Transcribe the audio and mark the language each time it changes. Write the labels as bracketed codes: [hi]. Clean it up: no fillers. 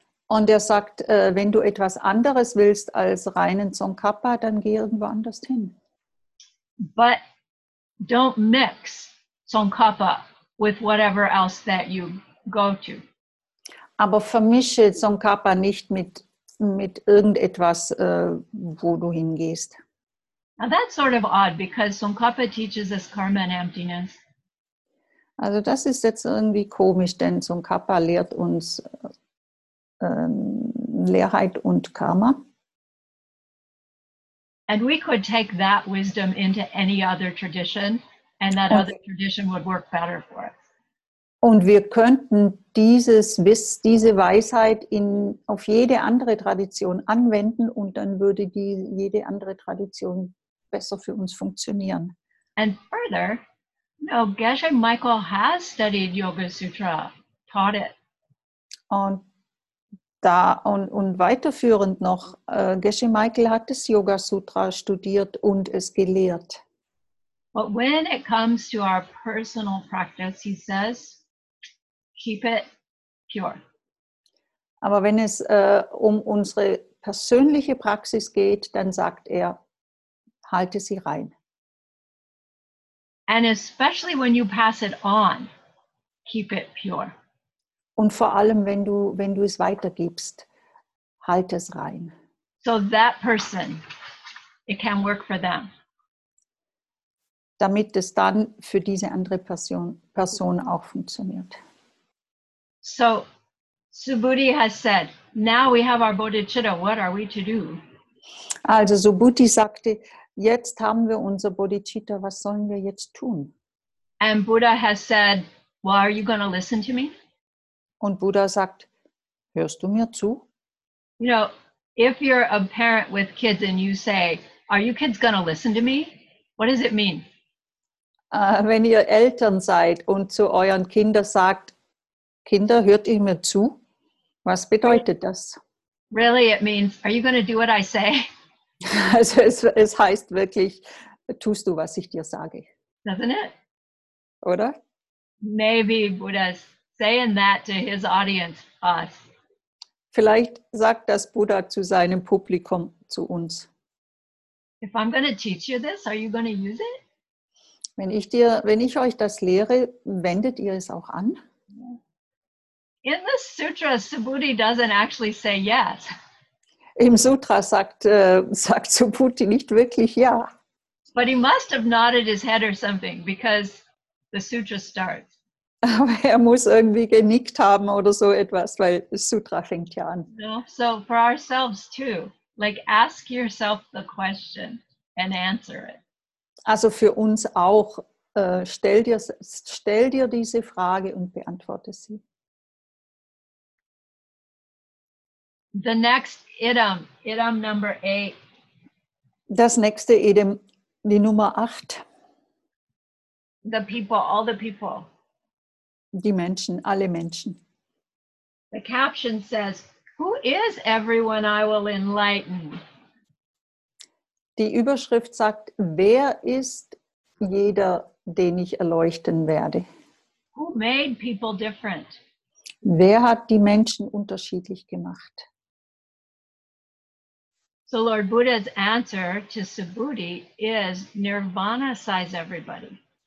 [de] Und sagt, wenn du etwas anderes willst als reinen Tsongkhapa, dann geh irgendwo anders hin. [en] But don't mix Tsongkhapa with whatever else that you go to. [de] Aber vermische Tsongkhapa nicht mit irgendetwas, wo du hingehst. [en] Now that's sort of odd because Tsongkhapa teaches us karma and emptiness. [de] Also das ist jetzt irgendwie komisch, denn Tsongkhapa lehrt uns Leerheit und Karma. [en] And we could take that wisdom into any other tradition and that other tradition would work better for us. [de] Und wir könnten diese Weisheit auf jede andere Tradition anwenden und dann würde jede andere Tradition besser für uns funktionieren. [en] And further, Geshe Michael has studied Yoga Sutra, taught it. [de] Und weiterführend noch, Geshe Michael hat das Yoga Sutra studiert und es gelehrt. [en] But when it comes to our personal practice, he says, keep it pure. [de] Aber wenn es um unsere persönliche Praxis geht, dann sagt halte sie rein. [en] And especially when you pass it on, keep it pure. [de] Und vor allem, wenn du es weitergibst, halte es rein. [en] So that person, it can work for them. [de] Damit es dann für diese andere Person auch funktioniert. [en] So Subhuti has said, now we have our bodhicitta, what are we to do? [de] Also Subhuti sagte, jetzt haben wir unser Bodhicitta, was sollen wir jetzt tun? [en] And Buddha has said, well, are you going to listen to me? [de] Und Buddha sagt, hörst du mir zu? [en] You know, if you're a parent with kids and you say, are you kids going to listen to me? What does it mean? [de] Wenn ihr Eltern seid und zu euren Kindern sagt, Kinder, hört ihr mir zu? Was bedeutet das? [en] Really, it means, are you going to do what I say? [de] Also es heißt wirklich, tust du, was ich dir sage. [en] Doesn't it? [de] Oder? [en] Maybe Buddha's saying that to his audience, us. [de] Vielleicht sagt das Buddha zu seinem Publikum, zu uns. [en] If I'm going to teach you this, are you going to use it? [de] Wenn ich euch das lehre, wendet ihr es auch an? [en] In the sutra, Subhuti doesn't actually say yes. [de] Im Sutra sagt Subhuti nicht wirklich ja. [en] But he must have nodded his head or something because the sutra starts. [de] Aber muss irgendwie genickt haben oder so etwas, weil das Sutra fängt ja an. [en] No, so for ourselves too, like ask yourself the question and answer it. [de] Also für uns auch, stell dir diese Frage und beantworte sie. [en] The next item number 8. [de] Das nächste Item, die Nummer 8. [en] The people, all the people. [de] Die Menschen, alle Menschen. [en] The caption says, who is everyone I will enlighten? [de] Die Überschrift sagt, wer ist jeder, den ich erleuchten werde? [en] Who made people different? [de] Wer hat die Menschen unterschiedlich gemacht? [en] So Lord Buddha's answer to Subhuti is Nirvana size everybody.